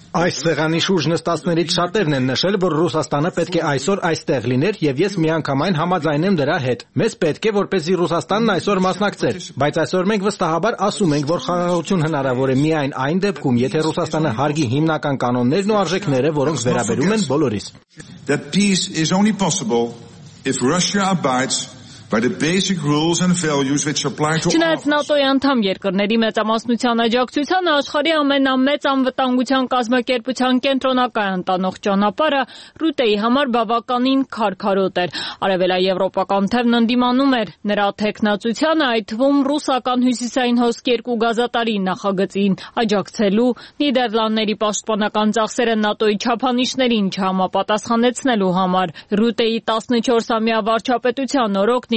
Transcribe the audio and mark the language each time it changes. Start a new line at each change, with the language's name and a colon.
Armenian: Այս սեղանի շուրջ նստածներից շատերն են նշել, որ Ռուսաստանը պետք է այսօր այստեղ լիներ, և ես միանգամայն համաձայն եմ դրա հետ։ Մեզ պետք է, որպեսզի Ռուսաստանն այսօր մասնակցեր, բայց այսօր մենք վստահաբար ասում ենք, որ խաղաղություն հնարավոր է միայն այն դեպքում, եթե Ռուսաստանը հարգի հիմնական կանոններն ու արժեքները, որոնք վերաբերում են բոլորիս։
English: That peace is only possible if Russia abides by the basic rules and values which apply to
Armenian: Չնայած ՆԱՏՕ-ի անդամ երկրների մեծամասնության աջակցությանը աշխարհի ամենամեծ անվտանգության կազմակերպության կենտրոնակայան տանող ճանապարհը Ռյուտեի համար բավականին քարքարոտ էր։ Արևելաեվրոպական թևն ընդդիմանում էր նրա թեկնածությանը, այդ թվում ռուսական հյուսիսային հոսքերկու գազատարի նախագծին աջակցելու, Նիդերլանդների պաշտպանական ծախսերը ՆԱՏՕ-ի չափանիշներին չհամապատասխանեցնելու համար։ Ռյուտեի 14-ամյա վարչապետության օրոք